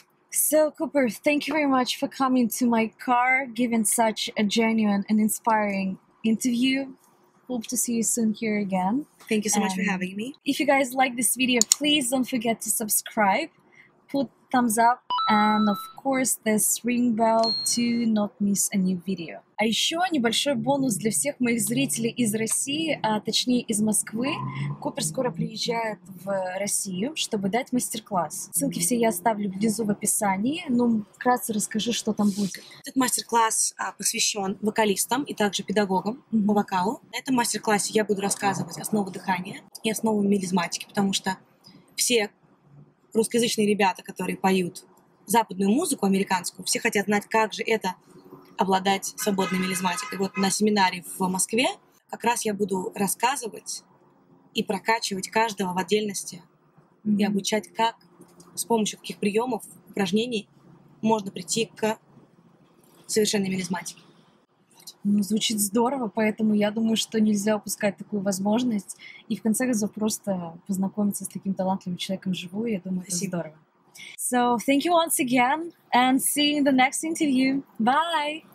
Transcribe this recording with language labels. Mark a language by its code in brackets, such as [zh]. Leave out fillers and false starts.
[en] So, Cooper, thank you very much for coming to my car, giving such a genuine and inspiring interview. Hope to see you soon here again. Thank you so much for having me. If you guys like this video, please don't forget to subscribe, put thumbs up, and of course this ring bell to not miss a new video. [ru] А еще небольшой бонус для всех моих зрителей из России, а точнее из Москвы. Купер скоро приезжает в Россию, чтобы дать мастер-класс. Ссылки все я оставлю внизу в описании, но вкратце расскажи, что там будет. Этот мастер-класс посвящен вокалистам и также педагогам по вокалу. На этом мастер-классе я буду рассказывать основы дыхания и основы мелизматики, потому что все русскоязычные ребята, которые поют западную музыку, американскую, все хотят знать, как же это обладать свободной мелизматикой. Вот на семинаре в Москве как раз я буду рассказывать и прокачивать каждого в отдельности и обучать, как с помощью каких приемов, упражнений можно прийти к совершенной мелизматике. Ну, звучит здорово, поэтому я думаю, что нельзя упускать такую возможность и в конце концов просто познакомиться с таким талантливым человеком вживую, я думаю, спасибо. Это здорово. [en] So, thank you once again and see you in the next interview. Bye!